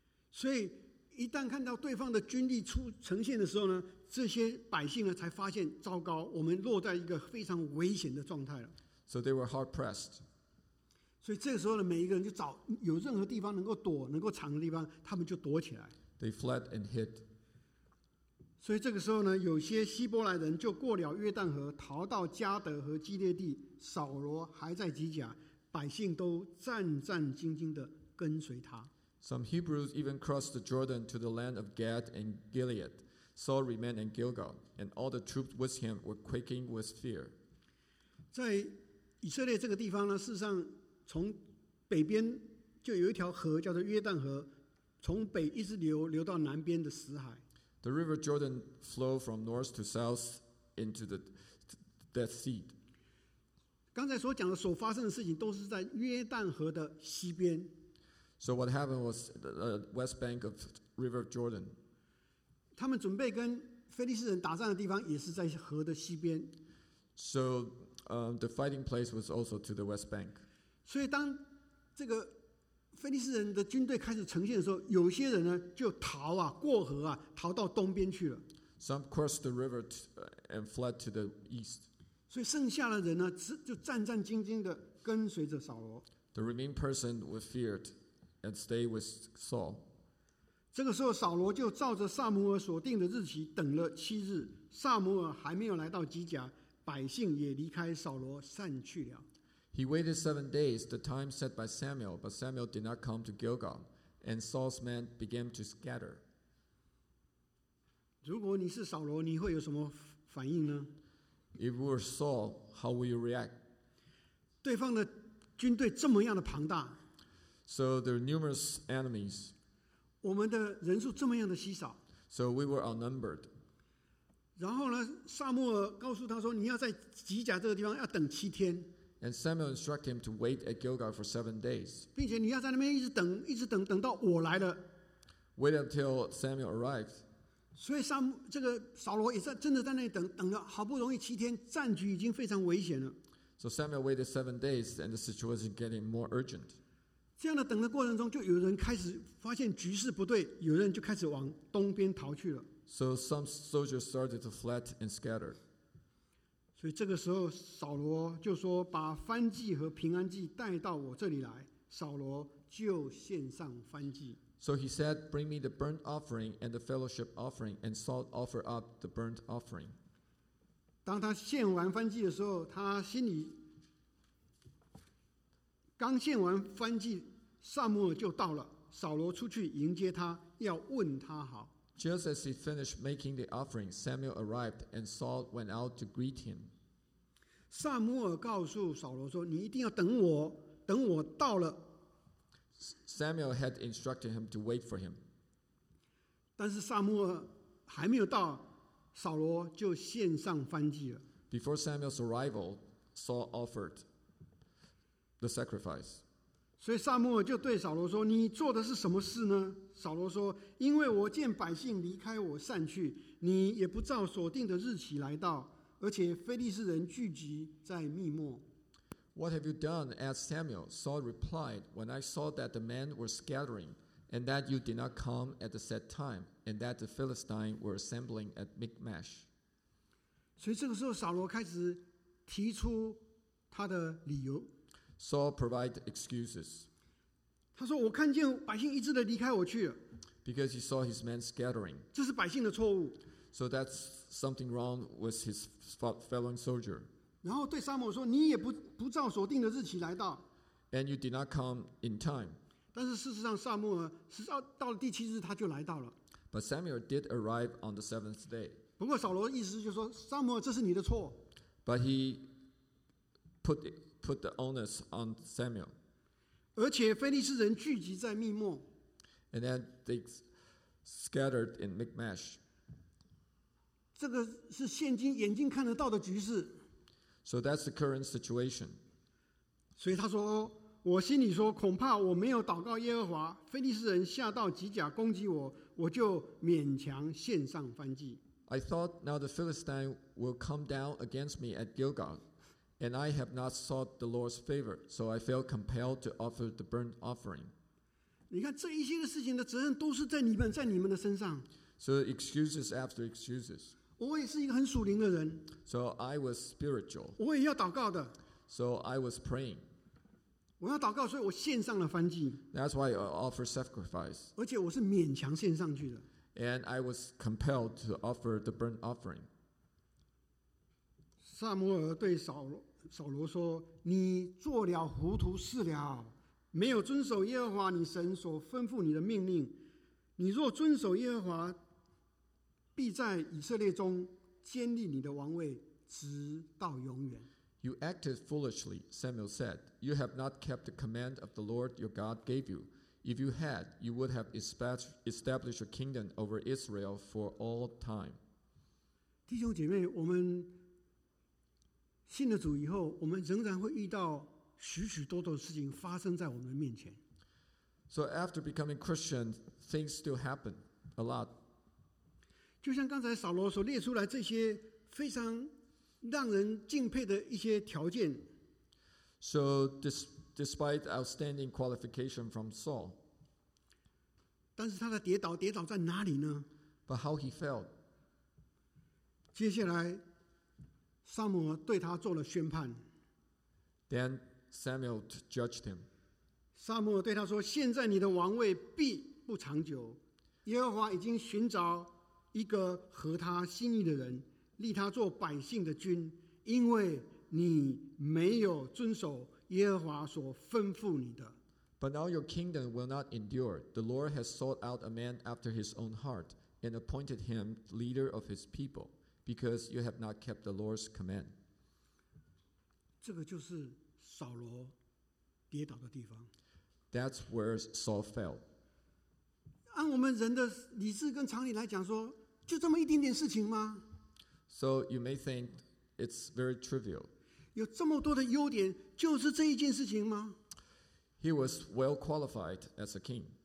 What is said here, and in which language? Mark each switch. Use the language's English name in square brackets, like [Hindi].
[Chinese] 所以一旦看到对方的军力出呈现的时候呢，这些百姓呢才发现，糟糕，我们落在一个非常危险的状态了。 [English] So they were hard pressed. [Chinese] 所以这个时候呢，每一个人就找有任何地方能够躲、能够藏的地方，他们就躲起来。 [English] They fled and hid. [Chinese] 所以这个时候呢，有些希伯来人就过了约旦河，逃到加德和基列地。扫罗还在基甲，百姓都战战兢兢地跟随他。 [English] Some Hebrews even crossed the Jordan to the land of Gad and Gilead. Saul remained in Gilgal, and all the troops with him were quaking with fear. [Chinese] 在以色列这个地方呢，事实上从北边就有一条河叫做约旦河，从北一直流到南边的死海。 [English] The river Jordan flowed from north to south into the Dead Sea. [Chinese] 刚才所讲的所发生的事情都是在约旦河的西边。 [English] So what happened was the west bank of River Jordan. [Chinese] 他们准备跟非利士人打仗的地方也是在河的西边。 [English] So the fighting place was also to the west bank. [Chinese] 所以当这个非利士人的军队开始呈现的时候，有些人呢就逃啊，过河啊，逃到东边去了。 [English] Some crossed the river and fled to the east. [Chinese] 所以剩下的人呢，就战战兢兢的跟随着扫罗。 [English] The remaining person was feared and stayed with Saul. [Chinese] 这个时候，扫罗就照着撒母耳所定的日期等了7日，撒母耳还没有来到基甲，百姓也离开扫罗散去了。 [English] He waited 7 days, the time set by Samuel, but Samuel did not come to Gilgal, and Saul's men began to scatter. [Chinese] 如果你是扫罗，你会有什么反应呢？ [English] If you were Saul, how would you react? [Chinese] 对方的军队这么样的庞大。 [English] So there are numerous enemies. [Chinese] 我们的人数这么样的稀少。 [English] So we were outnumbered. [Chinese] 然后呢，撒母耳告诉他说，你要在基甲这个地方要等7天。 [English] And Samuel instructed him to wait at Gilgal for 7 days. [Chinese] 并且你要在那边一直等，一直等，等到我来了。 [English] Wait until Samuel arrived. [Chinese] 所以扫罗也在真的在那里等，等了好不容易7天，战局已经非常危险了。 [English] So Samuel waited 7 days, and the situation getting more urgent. [Chinese] 这样的等的过程中，就有人开始发现局势不对，有人就开始往东边逃去了。 [English] So some soldiers started to fled and scatter. [Chinese] 所以这个时候，扫罗就说：“把燔祭和平安祭带到我这里来。” 扫罗就献上燔祭。 [English] So he said, "Bring me the burnt offering and the fellowship offering." And Saul offered up the burnt offering. [Chinese] 当他献完燔祭的时候，他心里刚献完燔祭，撒母耳就到了。扫罗出去迎接他，要问他好。 [English] Just as he finished making the offering, Samuel arrived, and Saul went out to greet him. [Chinese] 撒母耳告诉扫罗说：“你一定要等我，等我到了。” [English] Samuel had instructed him to wait for him. [Chinese] 但是撒母耳还没有到，扫罗就献上燔祭了。 [English] Before Samuel's arrival, Saul offered the sacrifice. [Chinese] 所以撒母耳就对扫罗说，你做的是什么事呢？扫罗说，因为我见百姓离开我散去，你也不照所定的日期来到，而且非利士人聚集在密末。 [English] What have you done? Asked Samuel. Saul replied, when I saw that the men were scattering, and that you did not come at the set time, and that the Philistines were assembling at Michmash. [Chinese] 所以这个时候扫罗开始提出他的理由。 [English] Saul provided excuses. [Chinese] 他说我看见百姓一致地离开我去了。 [English] Because he saw his men scattering. [Chinese] 这是百姓的错误。 [English] So that's something wrong with his fellow soldier. [Chinese] 然后对撒母耳说，你也 不照所定的日期来到。 [English] And you did not come in time. [Chinese] 但是事实上撒母耳是到了第七日他就来到了。 [English] But Samuel did arrive on the seventh day. [Chinese] 不过扫罗的意思就是说，撒母耳这是你的错。 [English] But he put the onus on Samuel. [Chinese] 而且非利士人聚集在密末。 [English] And then they scattered in Michmash. [Chinese] 这个是现今眼睛看得到的局势。 [English] So that's the current situation. [Chinese] 所以他说，我心里说，恐怕我没有祷告耶和华，非利士人下到基甲攻击我，我就勉强献上燔祭。 [English] I thought now the Philistine will come down against me at Gilgal, and I have not sought the Lord's favor, so I felt compelled to offer the burnt offering. [Chinese] 你看这一些的事情的责任都是在你们，在你们的身上。 [English] So excuses after excuses. [Chinese] 我也是一个很属灵的人。 [English] So I was spiritual. [Chinese] 我也要祷告的。 [English] So I was praying. [Chinese] 我要祷告，所以我献上了燔祭。 [English] That's why I offered sacrifice. [Chinese] 而且我是勉强献上去的。 [English] And I was compelled to offer the burnt offering. [Chinese] 撒母耳对扫罗说，你做了糊涂事了，没有遵守耶和华你神所吩咐你的命令。你若遵守耶和华，必在以色列中坚立你的王位，直到永远。 [English] You acted foolishly, Samuel said. You have not kept the command of the Lord your God gave you. If you had, you would have established a kingdom over Israel for all time. [Chinese] 弟兄姐妹，我们信了主以后，我们仍然会遇到许许多多的事情发生在我们面前。 [English] So after becoming Christian, things still happen a lot. [Chinese] 就像刚才扫罗所列出来这些非常让人敬佩的一些条件。 [English] So despite outstanding qualification from Saul. [Chinese] 但是他的跌倒在哪里呢？ [English] But how he fell. [Chinese] 接下来撒母耳对他做了宣判。 [English] Then Samuel judged him. [Chinese] 撒母耳对他说，现在你的王位必不长久，耶和华已经寻找一个合他心意的人，立他做百姓的君，因为你没有遵守耶和华所吩咐你的。 [English] But now your kingdom will not endure. The Lord has sought out a man after his own heart and appointed him leader of his people because you have not kept the Lord's command. [Chinese] 这个就是扫罗跌倒的地方。 [English] That's where Saul fell. [Chinese] 按我们人的理智跟常理来讲说，就这么一点点事情吗？ [English] So you may think it's very trivial. [Chinese] 有这么多的优点，就是这一件事情吗？ [English] He was well qualified as a king.